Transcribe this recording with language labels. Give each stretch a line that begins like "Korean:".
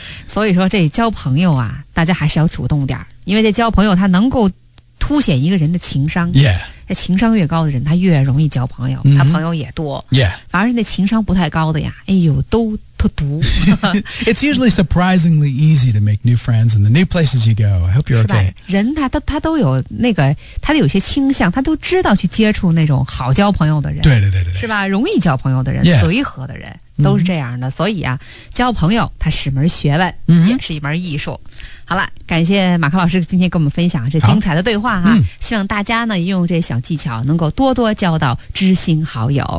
Chinese: 所以说这交朋友啊大家还是要主动点因为这交朋友它能够凸显一个人的情商、
English: yeah.
Chinese: 情商越高的人他越容易交朋友、他朋友也多、
English: yeah.
Chinese: 反而是那情商不太高的呀哎呦都特毒
English: It's usually surprisingly easy to make new friends in the new places you go I hope you're okay
Chinese: 人 他都有那个他有些倾向他都知道去接触那种好交朋友的人对对对对是吧容易交朋友的人、
English: yeah.
Chinese: 随和的人都是这样的、所以啊交朋友他是门学问、也是一门艺术好了感谢马克老师今天跟我们分享这精彩的对话啊、希望大家呢用这小技巧能够多多交到知心好友